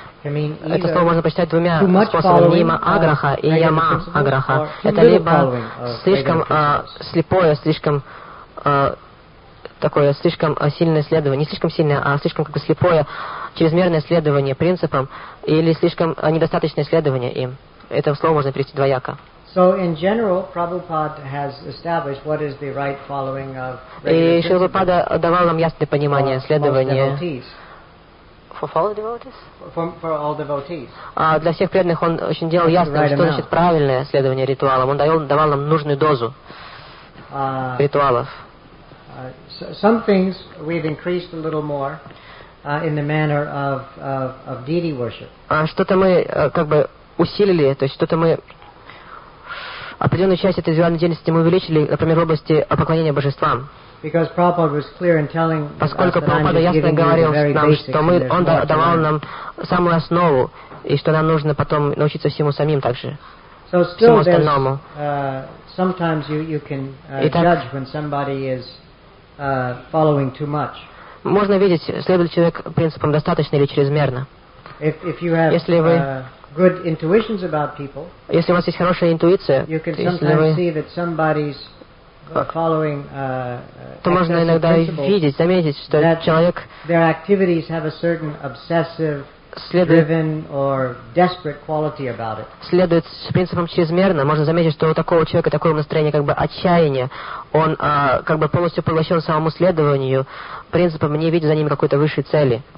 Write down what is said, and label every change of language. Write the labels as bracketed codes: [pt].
[ru] Это слово можно прочитать двумя способами: нима аграха и яма аграха. Это либо слишком слепое, слишком такое, слишком сильное следование, не слишком сильное, а слишком как бы слепое, чрезмерное следование принципам, или слишком недостаточное следование им. Это слово можно перевести двояко. [en] So in general, Prabhupada has established what is the right following of. [ru] И Шрила Прабхупада давал нам ясное понимание следования. [en] For all devotees. [ru] Для всех преданных он очень делал ясно, что значит правильное следование ритуалам. Он давал нам нужную дозу ритуалов. [en] Some things we've increased a little more in the manner of deity worship. [ru] Что-то мы как бы усилили, то есть что-то мы определенную часть этой визуальной деятельности мы увеличили, например, в области поклонения божествам. [en] Because Prabhupada was clear in telling us that [ru] поскольку Прабхупада ясно говорил нам, что мы, он давал нам самую основу, и что нам нужно потом научиться всему самим также, [en] so still [ru] всему остальному. [en] Sometimes you can judge when somebody is following too much. [ru] Можно видеть, следует человек принципам достаточно или чрезмерно. [en] If you have, [ru] если вы [en] good intuitions about people, [ru] если у вас есть хорошая интуиция, [en] you can sometimes see that somebody's following, [ru] то можно иногда видеть, заметить, что человек [en] their activities have a certain obsessive, driven or desperate quality about it. [ru] Следует с принципом чрезмерно, можно заметить, что у такого человека такое настроение как бы отчаяния, он как бы полностью поглощен самому следованию принципам, не видя за ними какой-то высшей цели.